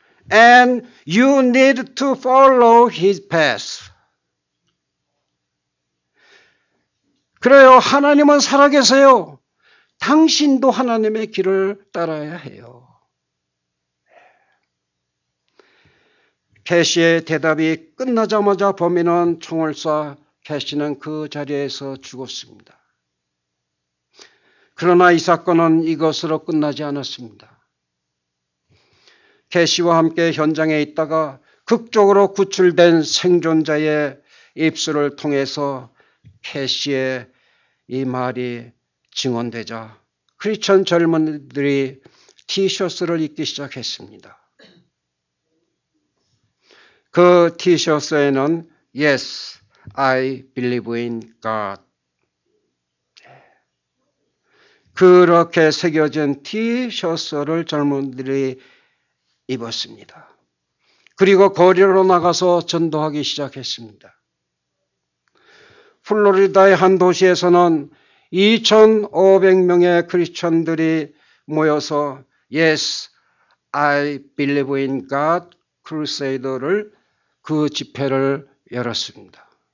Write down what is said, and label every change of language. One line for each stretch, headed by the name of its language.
English: And you need to follow his path.
Korean: 그래요, 하나님은 살아계세요. 당신도 하나님의 길을 따라야 해요. 캐시의 대답이 끝나자마자 범인은 총을 쏴 캐시는 그 자리에서 죽었습니다. 그러나 이 사건은 이것으로 끝나지 않았습니다. 캐시와 함께 현장에 있다가 극적으로 구출된 생존자의 입술을 통해서 캐시의 이 말이 증언되자 크리스천 젊은이들이 티셔츠를 입기 시작했습니다. 그 티셔츠에는
English: Yes, I believe in God.
Korean: 그렇게 새겨진 티셔츠를 젊은이들이 입었습니다. 그리고 거리로 나가서 전도하기 시작했습니다. 플로리다의 한 도시에서는 2,500명의 크리스천들이 모여서
English: Yes, I believe in God
Korean: 크루세이더를 그 집회를 열었습니다.